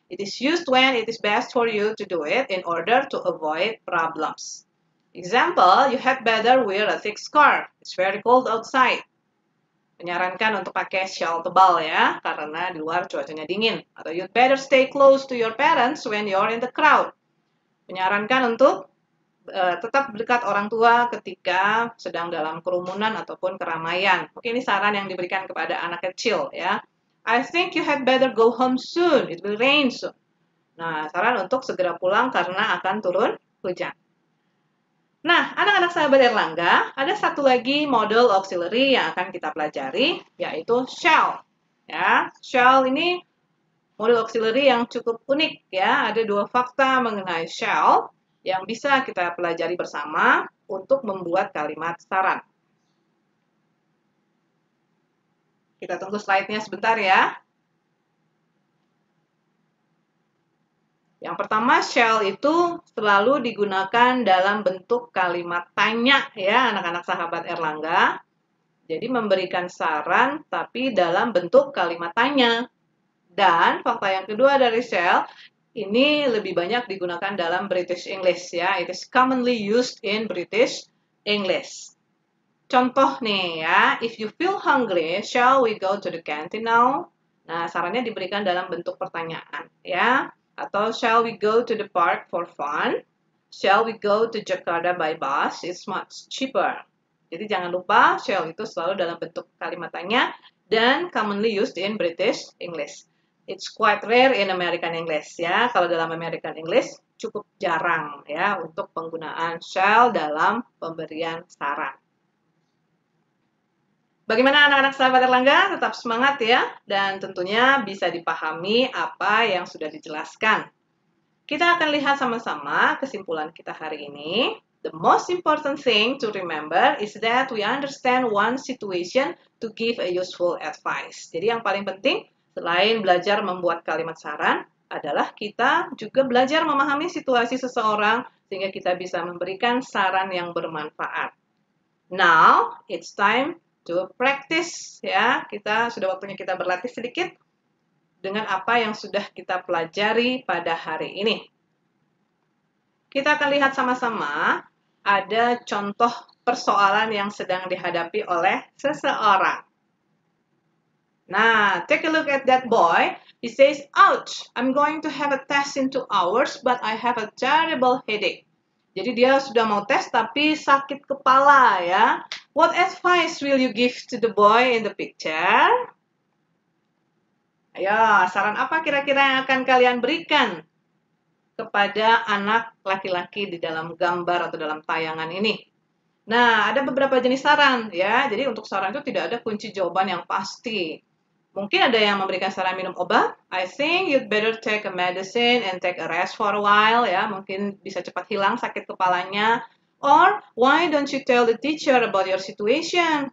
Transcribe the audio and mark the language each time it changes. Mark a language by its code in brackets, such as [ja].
[en] It is used when it is best for you to do it in order to avoid problems. Example, you had better wear a thick scarf. It's very cold outside. [id] menyarankan untuk pakai shawl tebal ya, karena di luar cuacanya dingin. Atau [en] you'd better stay close to your parents when you're in the crowd. [id] Menyarankan untuk tetap dekat orang tua ketika sedang dalam kerumunan ataupun keramaian. Oke, ini saran yang diberikan kepada anak kecil ya. [en] I think you had better go home soon. It will rain soon. [id] Nah, saran untuk segera pulang karena akan turun hujan. Nah, anak-anak sahabat Erlangga, ada satu lagi model auxiliary yang akan kita pelajari, yaitu shall. Ya, shall ini model auxiliary yang cukup unik. Ya, ada dua fakta mengenai shall yang bisa kita pelajari bersama untuk membuat kalimat saran. Kita tunggu slide-nya sebentar ya. Yang pertama, shall itu selalu digunakan dalam bentuk kalimat tanya ya, anak-anak sahabat Erlangga. Jadi memberikan saran tapi dalam bentuk kalimat tanya. Dan fakta yang kedua dari shall, ini lebih banyak digunakan dalam British English ya. [en] It is commonly used in British English. [id] Contoh nih ya, [en] if you feel hungry, shall we go to the canteen now? [id] Nah, sarannya diberikan dalam bentuk pertanyaan ya. Atau, [en] shall we go to the park for fun? Shall we go to Jakarta by bus? It's much cheaper. [id] Jadi, jangan lupa, shall itu selalu dalam bentuk kalimat tanya dan [en] commonly used in British English. It's quite rare in American English, [id] ya. Kalau dalam American English, cukup jarang, ya, untuk penggunaan shall dalam pemberian saran. Bagaimana anak-anak sahabat Erlangga? Tetap semangat ya, dan tentunya bisa dipahami apa yang sudah dijelaskan. Kita akan lihat sama-sama kesimpulan kita hari ini. [en] The most important thing to remember is that we understand one situation to give a useful advice. [id] Jadi yang paling penting, selain belajar membuat kalimat saran, adalah kita juga belajar memahami situasi seseorang sehingga kita bisa memberikan saran yang bermanfaat. [en] Now, it's time to practice [id] ya, kita sudah waktunya kita berlatih sedikit dengan apa yang sudah kita pelajari pada hari ini. Kita akan lihat sama-sama ada contoh persoalan yang sedang dihadapi oleh seseorang. [en] Nah, take a look at that boy. He says, "Ouch, I'm going to have a test in 2 hours, but I have a terrible headache." [id] Jadi dia sudah mau tes tapi sakit kepala ya. [en] What advice will you give to the boy in the picture? [id] Ayo, saran apa kira-kira yang akan kalian berikan kepada anak laki-laki di dalam gambar atau dalam tayangan ini? Nah, ada beberapa jenis saran ya. Jadi untuk saran itu tidak ada kunci jawaban yang pasti. Mungkin ada yang memberikan saran minum obat. [en] I think you'd better take a medicine and take a rest for a while. [id] Ya, mungkin bisa cepat hilang sakit kepalanya. [en] Or, why don't you tell the teacher about your situation?